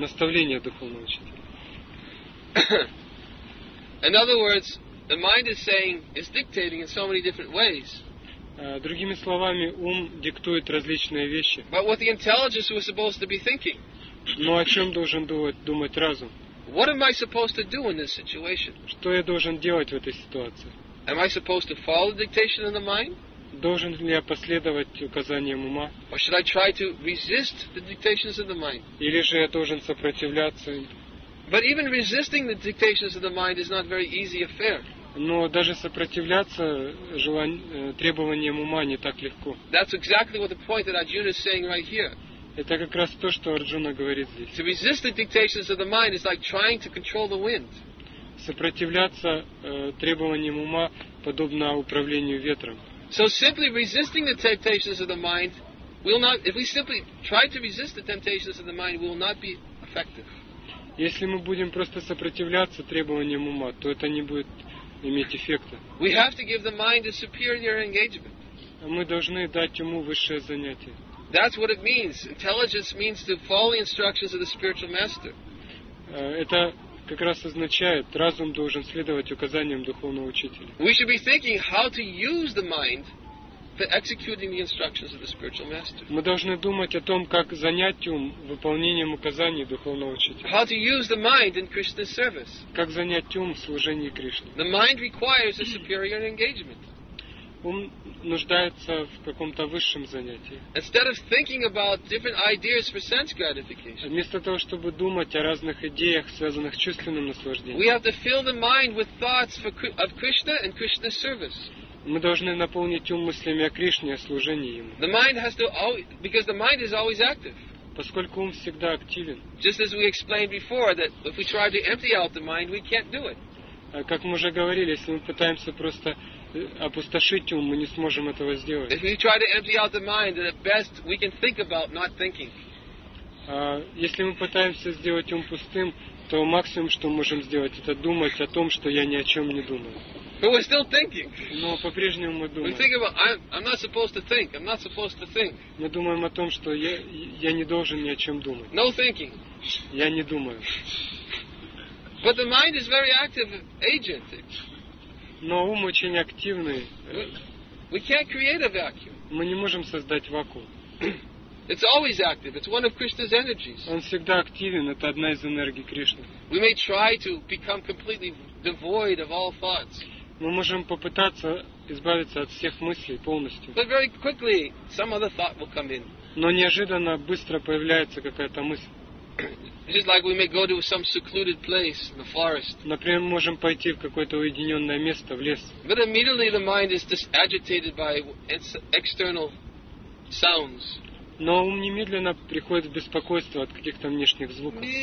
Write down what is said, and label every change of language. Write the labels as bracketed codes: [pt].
[ru] Наставления духовного учителя. [en] In other words, the mind is saying, is dictating in so many different ways. [ru] Другими словами, ум диктует различные вещи. [en] But what the intelligence was supposed to be thinking? [ru] Но о чем должен думать разум? [en] What am I supposed to do in this situation? [ru] Что я должен делать в этой ситуации? [en] Am I supposed to follow the dictation of the mind? [ru] Должен ли я последовать указаниям ума? [en] Or should I try to resist the dictations of the mind? [ru] Или же я должен сопротивляться им? [en] But even resisting the dictations of the mind is not a very easy affair. [ru] Но даже сопротивляться требованиям ума не так легко. [en] That's exactly what the point that Arjuna is saying right here. [ru] Это как раз то, что Арджуна говорит здесь. [en] To resist the dictations of the mind is like trying to control the wind. [ru] Сопротивляться требованиям ума подобно управлению ветром. [en] So simply resisting the temptations of the mind will not, if we simply try to resist the temptations of the mind, we will not be effective. [ru] Если мы будем просто сопротивляться требованиям ума, то это не будет иметь эффекта. [en] We have to give the mind a superior engagement. [ru] Мы должны дать ему высшее занятие. [en] That's what it means. Intelligence means to follow the instructions of the spiritual master. [ru] Это как раз означает, разум должен следовать указаниям духовного учителя. [en] We should be thinking how to use the mind for executing the instructions of the spiritual master. [ru] Мы должны думать о том, как занять ум выполнением указаний духовного учителя. [en] How to use the mind in Krishna's service. [ru] Как занять ум в служении Кришне. [en] The mind requires a superior engagement. [ru] Ум нуждается в каком-то высшем занятии. [en] Instead of thinking about different ideas for sense gratification. [ru] Вместо того, чтобы думать о разных идеях, связанных с чувственным наслаждением. [en] We have to fill the mind with thoughts of Krishna and Krishna's service. [ru] Мы должны наполнить ум мыслями о Кришне, о служении ему. [en] The mind has to always, because the mind is always active. [ru] Поскольку ум всегда активен. [en] Just as we explained before that if we try to empty out the mind, we can't do it. [ru] Как мы уже говорили, если мы пытаемся просто опустошить ум, мы не сможем этого сделать. [en] If we try to empty out the mind, the best we can think about not thinking. [ru] Если мы пытаемся сделать ум пустым, то максимум, что мы можем сделать, это думать о том, что я ни о чем не думаю. [en] But we're still thinking. [ru] Но по-прежнему мы думаем. [en] We think about I'm not supposed to think. I'm not supposed to think. [ru] Мы думаем о том, что я не должен ни о чем думать. [en] No thinking. [ru] Я не думаю. [en] But the mind is very active agent. [ru] Но ум очень активный. [en] We can't create a vacuum. [ru] Мы не можем создать вакуум. [en] It's always active. It's one of Krishna's energies. [ru] Он всегда активен. Это одна из энергий Кришны. [en] We may try to become completely devoid of all thoughts. [ru] Мы можем попытаться избавиться от всех мыслей полностью. [en] But very quickly, some other thought will come in. [ru] Но неожиданно быстро появляется какая-то мысль. [en] Just like we may go to some secluded place in the forest. [ru] Например, можем пойти в какое-то уединенное место в лес. [en] But immediately the mind is just agitated by external sounds. [ru] Но ум немедленно приходит в беспокойство от каких-то внешних звуков.